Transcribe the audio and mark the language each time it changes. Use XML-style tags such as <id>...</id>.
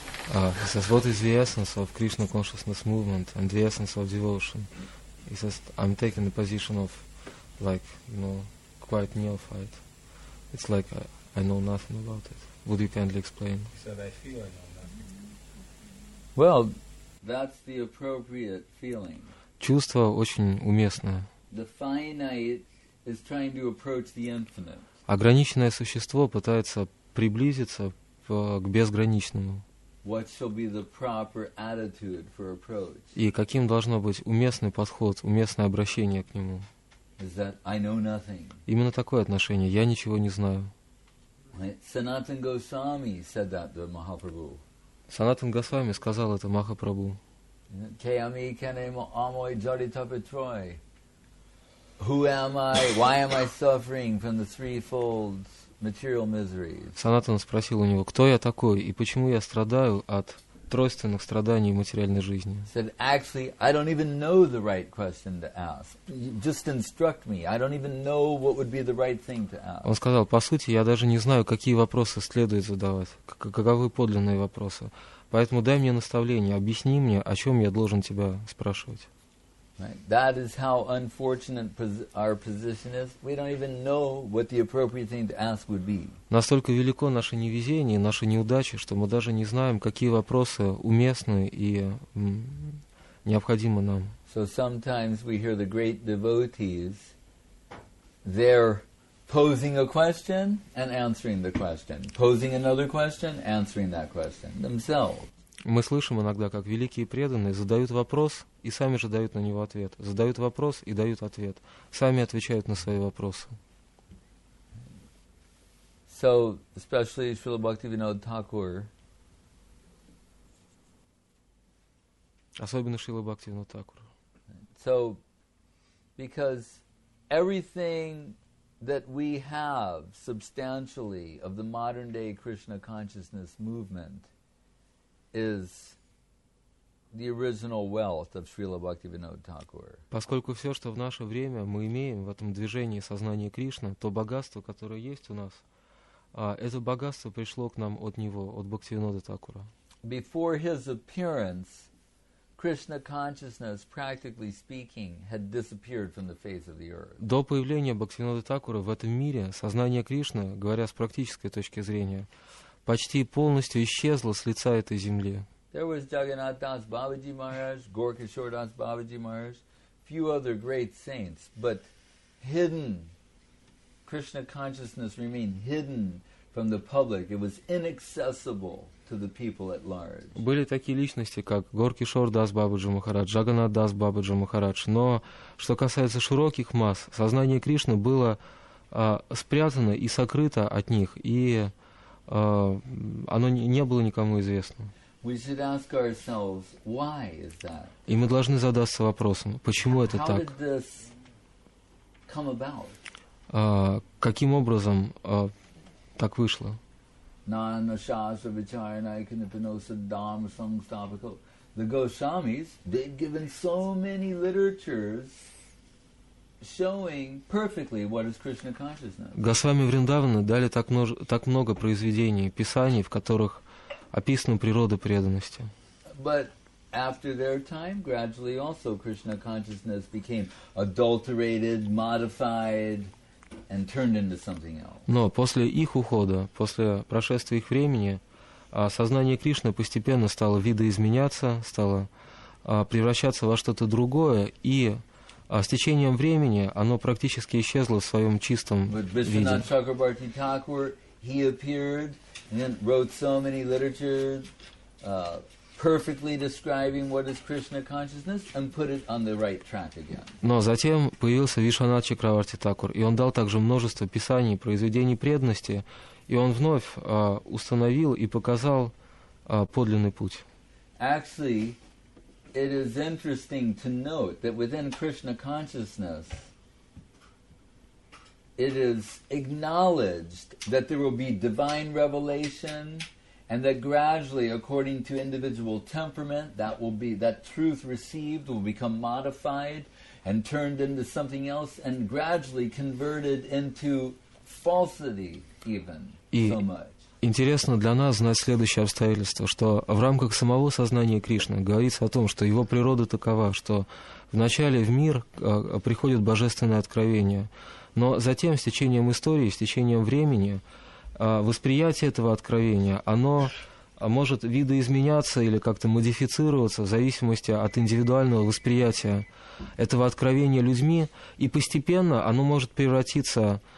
<en>He says, what is the essence of Krishna consciousness movement and the essence of devotion? He says, I'm taking the position of, like, you know, quite neophyte. It's like I know nothing about it. Would you kindly explain? He said, I feel I know nothing. Well, that's the appropriate feeling.</en> <ru>Чувство очень уместное.</ru> <en>The finite is trying to approach the infinite.</en> <ru>Ограниченное существо пытается приблизиться к безграничному.</ru> <en>What shall be the proper attitude for approach?</en> <ru>И каким должно быть уместный подход, уместное обращение к нему?</ru> <en>Is that I know nothing.</en> <ru>Именно такое отношение. Я ничего не знаю.</ru> <en>Sanatan Goswami said that to Mahaprabhu.</en> <ru>Санатан Госвами сказал это Махапрабху.</ru> <bn>Kami kene amoy jaritapetroy.</bn> <en>Who am I? Why am I suffering from the threefold material misery?</en> <ru>Санатан спросил у него, кто я такой и почему я страдаю от тройственных страданий материальной жизни.</ru> <en>Said, actually, I don't even know the right question to ask. Just instruct me. I don't even know what would be the right thing to ask.</en> <ru>Он сказал, по сути, я даже не знаю, какие вопросы следует задавать, каковы подлинные вопросы. Поэтому дай мне наставление, объясни мне, о чем я должен тебя спрашивать.</ru> <en>Right. That is how unfortunate our position is. We don't even know what the appropriate thing to ask would be.</en> <ru>Настолько велико наше невезение, наша неудача, что мы даже не знаем, какие вопросы уместны и необходимы нам.</ru> <en>So sometimes we hear the great devotees, they're posing a question and answering the question, posing another question, answering that question themselves.</en> <ru>Мы слышим иногда, как великие преданные задают вопрос и сами же дают на него ответ. Задают вопрос и дают ответ. Сами отвечают на свои вопросы.</ru> <en>So, especially Srila Bhaktivinoda Thakur.</en> <ru>Особенно Srila Bhaktivinoda Thakur.</ru> <en>So, because everything that we have substantially of the modern day Krishna consciousness movement is the original wealth of Srila Bhaktivinoda Thakur.</en> <ru>Поскольку все, что в наше время мы имеем в этом движении сознания Кришны, то богатство, которое есть у нас, это богатство пришло к нам от него, от Бхактивинода Такура.</ru> <en>Before his appearance, Krishna consciousness, practically speaking, had disappeared from the face of the earth.</en> <ru>До появления Бхактивинода Такура в этом мире сознание Кришны, говоря с практической точки зрения, почти полностью исчезло с лица этой земли.</ru> <en>There was Jagannath Das Babaji Maharaj, Gorkhishor Das Babaji Maharaj, few other great saints, but hidden, Krishna consciousness remained hidden from the public. It was inaccessible to the people at large.</en> <ru>Были такие личности, как Gorkhishor Das Babaji Maharaj, Jagannath Das Babaji Maharaj, но что касается широких масс, сознание Кришны было спрятано и сокрыто от них, и оно не было никому известно.</ru> <en>We should ask ourselves, why is that?</en> <ru>И мы должны задаться вопросом, почему это</ru> <en>How</en> <ru>так?</ru> <en>Did this come about?</en> <ru>Каким образом так вышло?</ru> <en>The Goswamis, they've given so many literatures showing perfectly what is Krishna consciousness.</en> <ru>Госвами Вриндаваны дали так много произведений, писаний, в которых описанную природу преданности.</ru> <en>But after their time, gradually also Krishna consciousness became adulterated, modified, and turned into something else.</en> <ru>Но после их ухода, после прошествия их времени, сознание Кришны постепенно стало видоизменяться, стало превращаться во что-то другое, и с течением времени оно практически исчезло в своем чистом виде.</ru> <en>Чакрабарти Такур, he appeared and wrote so many literatures, perfectly describing what is Krishna consciousness and put it on the right track again.</en> <ru>Но затем появился Вишванатха Чакраварти Такур, и он дал также множество писаний, произведений преданности, и он вновь установил и показал подлинный путь.</ru> <en>Actually, it is interesting to note that within Krishna consciousness, it is acknowledged that there will be divine revelation, and that gradually, according to individual temperament, that will be that truth received will become modified and turned into something else, and gradually converted into falsity, even so much.</en> <ru>Интересно для нас знать следующее обстоятельство, что в рамках самого сознания Кришны говорится о том, что его природа такова, что вначале в мир приходит божественное откровение, но затем, с течением истории, с течением времени, восприятие этого откровения, оно может видоизменяться или как-то модифицироваться в зависимости от индивидуального восприятия этого откровения людьми, и постепенно оно может превратиться...</ru>